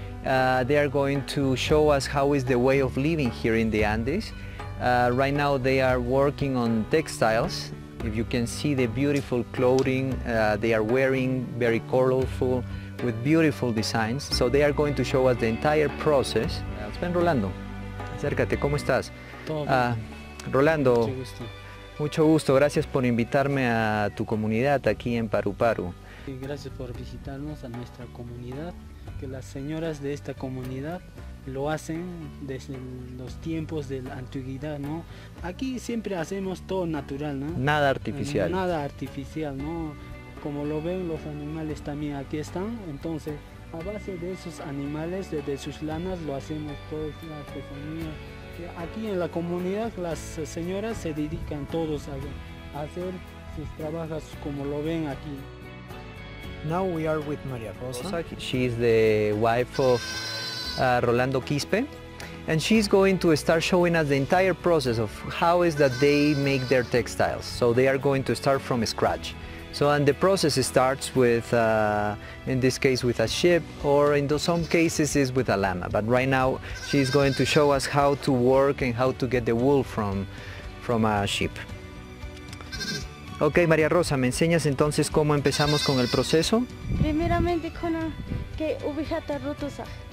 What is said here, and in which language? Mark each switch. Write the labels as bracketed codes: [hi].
[en] They are going to show us how is the way of living here in the Andes. Right now they are working on textiles. If you can see the beautiful clothing they are wearing, very colorful, with beautiful designs. So they are going to show us the entire process. [es] Ven, Rolando, acércate, ¿cómo estás? Rolando, mucho gusto, gracias por invitarme a tu comunidad aquí en Paruparu. Gracias por visitarnos a nuestra comunidad, que las señoras de esta comunidad lo hacen desde los tiempos de la antigüedad, ¿no? Aquí siempre hacemos todo natural, ¿no? Nada artificial. Nada artificial, ¿no? Como lo ven, los animales también aquí están. Entonces, a base de esos animales, de sus lanas, lo hacemos todos la artesanía. Aquí en la comunidad, las señoras se dedican todos a hacer sus trabajos, como lo ven aquí. [en] Now we are with María Rosa. She is the wife of Rolando Quispe, and she's going to start showing us the entire process of how is that they make their textiles. So they are going to start from scratch. So, and the process starts with, in this case, with a sheep, or in some cases is with a llama. But right now, she's going to show us how to work and how to get the wool from a sheep. [es] Okay, María Rosa, ¿me enseñas entonces cómo empezamos con el proceso? Primeramente, con que ubijate rotosa.